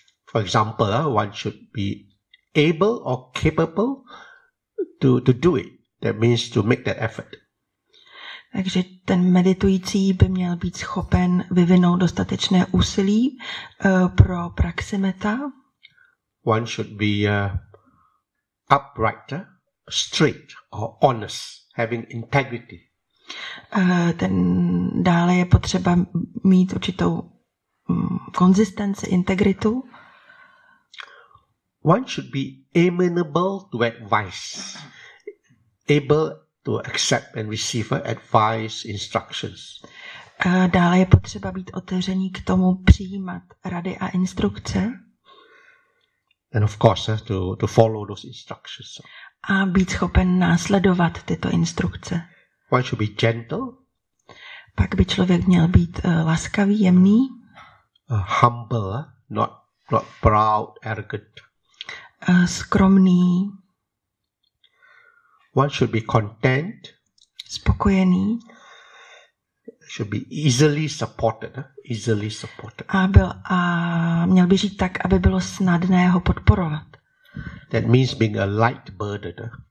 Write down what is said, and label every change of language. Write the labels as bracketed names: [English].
[English] For example, one should be able or capable to do it, that means to make that effort. [Czech] Takže ten meditující by měl být schopen vyvinout dostatečné úsilí pro praxi metta. [English] One should be upright, straight or honest, having integrity. [Czech] Ten dále je potřeba mít určitou konzistenci, integritu. [English] One should be amenable to advice. Able to accept and receive advice, instructions. [Czech] Dále je potřeba být otevřený k tomu přijímat rady a instrukce. [English] And of course, to follow those instructions. [Czech] A být schopen následovat tyto instrukce. [English] One should be gentle. [Czech] Pak by člověk měl být laskavý, jemný. [English] Humble, not proud, arrogant. [Czech] Skromný. [English] One should be content. [Czech] Spokojený. [English] Should be easily supported. Easily supported. [Czech] A měl by žít tak, aby bylo snadné ho podporovat. [English] That means being a light burden.